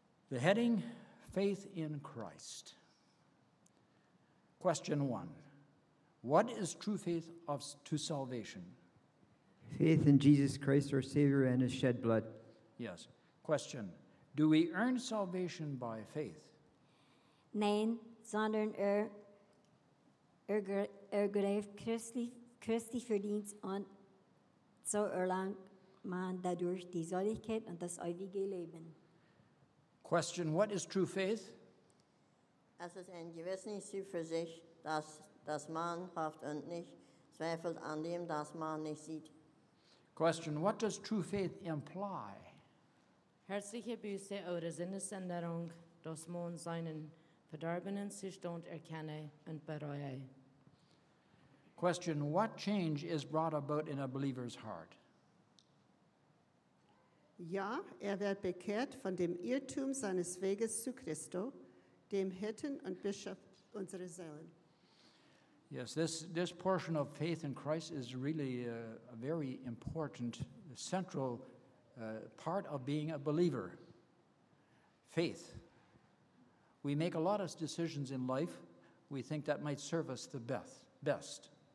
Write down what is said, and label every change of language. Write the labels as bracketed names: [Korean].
[English] The heading, Faith in Christ. Question one, what is true faith to salvation? Faith in Jesus Christ, our Savior, and his shed blood. Yes. Question, do we earn salvation by faith? [German] Nein, sondern ergreift Christi Verdienst und so erlangt man dadurch die Seligkeit und das ewige Leben. [English] Question, what is true faith? [German] Es ist ein gewisses Ziel für sich, dass man hofft und nicht zweifelt an dem, das man nicht sieht. [English] Question, what does true faith imply? [German] Herzliche Buße oder Sinnesänderung, dass man seinen verdorbenen Zustand erkenne und bereue. [English] Question, what change is brought about in a believer's heart? [German] Ja, wird bekehrt von dem Irrtum seines Weges zu Christo, dem Hirten und Bischof unserer Seelen. [English] Yes, this portion of faith in Christ is really a very important, central part of being a believer. Faith. We make a lot of decisions in life we think that might serve us the best.